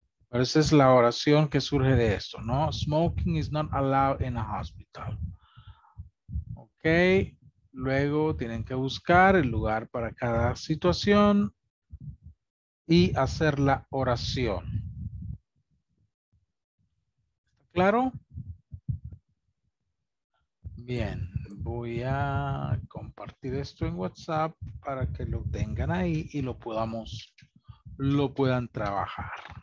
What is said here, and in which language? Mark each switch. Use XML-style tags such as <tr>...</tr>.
<es>Pero esa es la oración que surge de esto, ¿no?</es> <en>Smoking is not allowed in a hospital. Okay,</en> <es>Luego tienen que buscar el lugar para cada situación y hacer la oración. ¿Está claro? Bien, voy a compartir esto en WhatsApp para que lo tengan ahí y lo puedan trabajar.</es>